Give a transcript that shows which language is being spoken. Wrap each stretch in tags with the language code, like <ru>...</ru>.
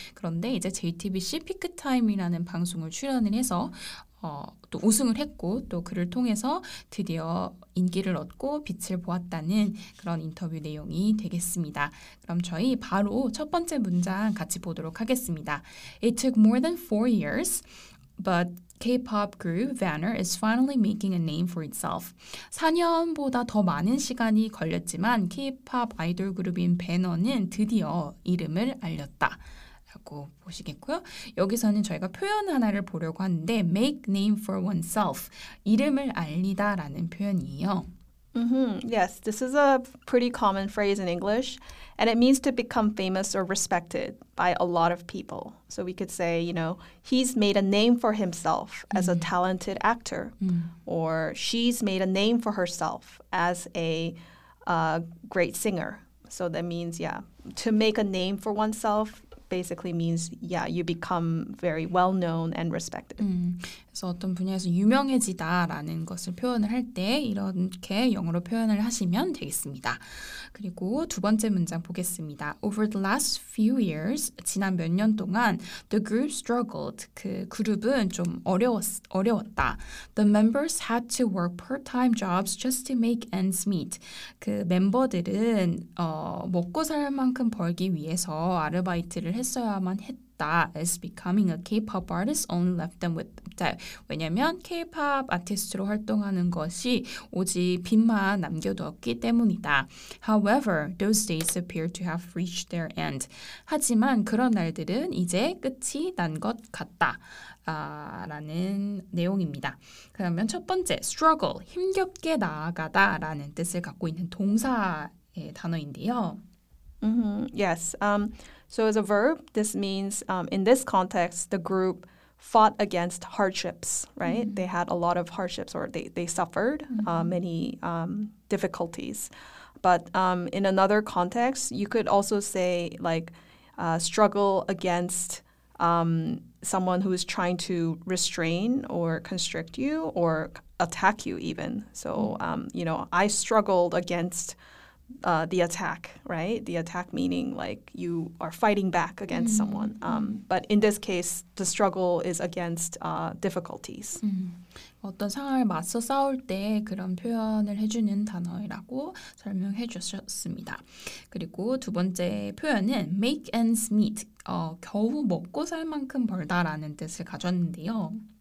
<ko>그런데 이제 JTBC 피크타임이라는 방송을 출연을 해서 또 우승을 했고 또 그를 통해서 드디어 인기를 얻고 빛을 보았다는 그런 인터뷰 내용이 되겠습니다. 그럼 저희 바로 첫 번째 문장 같이 보도록 하겠습니다.</ko> <en>It took more than 4 years, but K-pop group Banner is finally making a name for itself.</en> <ko>4년보다 더 많은 시간이 걸렸지만 K-pop 아이돌 그룹인 Banner는 드디어 이름을 알렸다. 라고 보시겠고요. 여기서는 저희가 표현 하나를 보려고 하는데</ko> <en>make name for oneself,</en> <ko>이름을 알리다라는 표현이에요. Mm-hmm.</ko> <en>Yes, this is a pretty common phrase in English, and it means to become famous or respected by a lot of people. So we could say, you know, he's made a name for himself as a talented actor, or she's made a name for herself as a great singer. So that means, yeah, to make a name for oneself, basically means yeah you become very well known and respected.</en> <ko>그래서 어떤 분야에서 유명해지다라는 것을 표현을 할 때 이렇게 영어로 표현을 하시면 되겠습니다. 그리고 두 번째 문장 보겠습니다.</ko> <en>Over the last few years,</en> <ko>지난 몇 년 동안</ko> <en>the group struggled.</en> <ko>그 그룹은 좀 어려웠다.</ko> <en>The members had to work part-time jobs just to make ends meet.</en> <ko>그 멤버들은 먹고 살 만큼 벌기 위해서 아르바이트를 했어야만 했다.</ko> <en>As becoming a K-pop artist only left them with debt.</en> <ko>왜냐면 K-pop 아티스트로 활동하는 것이 오직 빚만 남겨두었기 때문이다.</ko> <en>However, those days appear to have reached their end.</en> <ko>하지만 그런 날들은 이제 끝이 난 것 같다. 라는 내용입니다. 그러면 첫 번째, struggle, 힘겹게 나아가다 라는 뜻을 갖고 있는 동사의 단어인데요.</ko> <en>Yes. So as a verb, this means in this context, the group fought against hardships, right? Mm-hmm. They had a lot of hardships or they suffered many difficulties. But in another context, you could also say like struggle against someone who is trying to restrain or constrict you or attack you even. So, you know, I struggled against the attack, right? The attack meaning like you are fighting back against someone. But in this case, the struggle is against difficulties.</en> <ko>어떤 상황을 맞서 싸울 때 그런 표현을 해주는 단어라고 설명해 주셨습니다. 그리고 두 번째 표현은</ko> <en>make ends meet.</en> <ko>겨우 먹고 살 만큼 벌다라는 뜻을 가졌는데요.</ko>